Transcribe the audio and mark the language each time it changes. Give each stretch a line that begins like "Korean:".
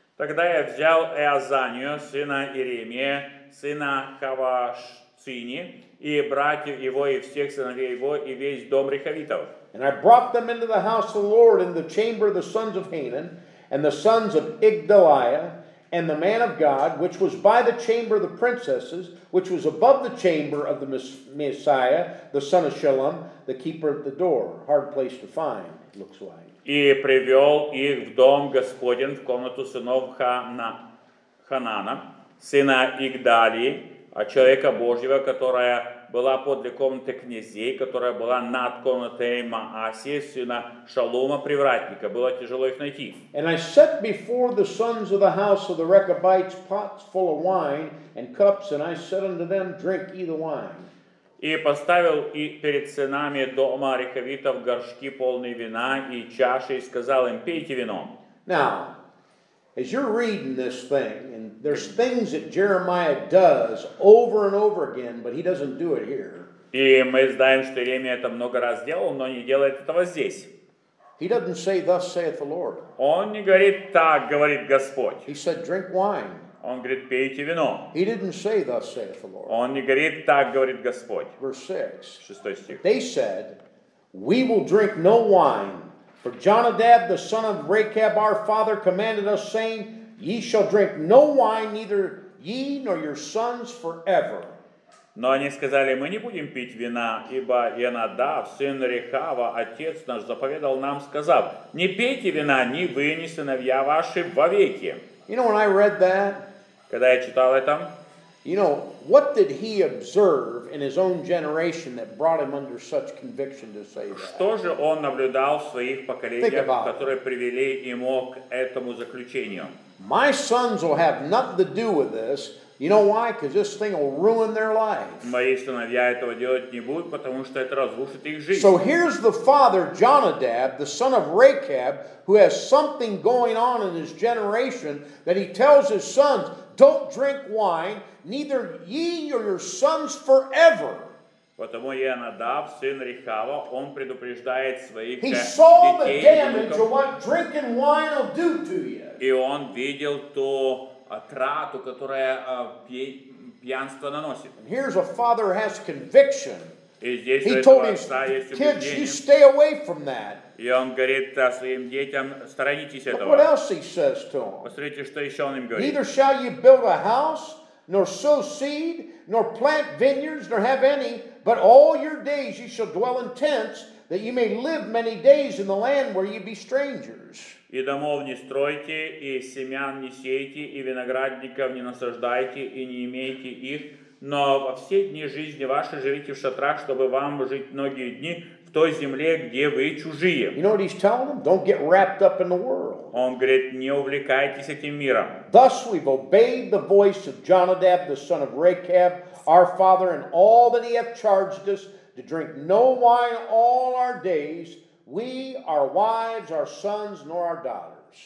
Russian: Тогда я взял Иазанию, сына Иеремия, сына Хавашцини, и братьев его, и всех сыновей его, и весь дом Рехавитов.
English: And I brought them into the house of the Lord in the chamber of the sons of Hanan and the sons of Igdaliah and the man of God, which was by the chamber of the princesses, which was above the chamber of the Messiah, the son of Shalom, the keeper of the door. Hard place to find, it looks like.
Russian: И привел их в дом Господень, в комнату сынов Ханана, сына Игдалии, человека Божьего, которая была подле комнаты князей, которая была над комнатой Маасии, сына Шалома, привратника. Было тяжело их найти.
English: And I set before the sons of the house of the Rechabites pots full of wine and cups, and I said unto them, drink ye the wine.
Russian: И поставил и перед сынами дома Рехавитов горшки полные вина и чаши, и сказал им, пейте вино.
English: Now, as you're reading this thing, and there's things that Jeremiah does over and over again, but he doesn't do it here.
Russian: И мы знаем, что Иеремия это много раз делал, но не делает этого здесь.
English: He doesn't say, thus saith the Lord.
Russian: Он не говорит, так говорит Господь.
English: He said, drink wine.
Russian: Он говорит, пейте вино.
English: He didn't say, thus saith the Lord.
Russian: Он не говорит, так говорит Господь.
English: Verse
Russian: 6. Шестой стих.
English: They said, we will drink no wine. For Jonadab, the son of Rechab, our father, commanded us, saying, ye shall drink no wine, neither ye nor your sons forever.
Russian: Но они сказали, мы не будем пить вина, ибо Ионадав, сын Рехава, отец наш, заповедал нам, сказав, не пейте вина, ни вы, ни сыновья ваши вовеки.
English: You know, when I read that,
Russian: когда я читал это,
English: you know, what did he observe in his own generation that brought him under such conviction to say that?
Russian: Что же он наблюдал в своих поколениях, которые привели ему к этому заключению?
English: My sons will have nothing to do with this. You know why? Because this thing will ruin their life.
Russian: Мои сыновья этого делать не будут, потому что это разрушит их жизнь.
English: So here's the father, Jonadab, the son of Rechab, who has something going on in his generation that he tells his sons, don't drink wine, neither ye nor your sons forever.
Russian: Потому Ионадав, сын Рехава, он предупреждает своих детей.
English: He saw the damage of what drinking wine will do to you.
Russian: И он видел то отрату, которая пьянство наносит.
English: And here's a father who has conviction.
Russian: И здесь
English: he told his kids, you stay away from that.
Russian: И он говорит своим детям, сторонитесь
English: But
Russian: этого.
English: What else he says to them?
Russian: Посмотрите, что еще он им говорит.
English: Neither shall you build a house, nor sow seed, nor plant vineyards, nor have any, but all your days you shall dwell in tents, that you may live many days in the land where you be strangers.
Russian: И домов не стройте, и семян не сейте, и виноградников не насаждайте, и не имейте их. Но во все дни жизни вашей живите в шатрах, чтобы вам жить многие дни в той земле, где вы чужие.
English: You know what he's telling them? Don't get wrapped up in the world.
Russian: Он говорит, не увлекайтесь этим миром.
English: Thus we've obeyed the voice of Jonadab, the son of Rechab, our father, and all that he hath charged us to drink no wine all our days, we, our wives, our sons, nor our daughters.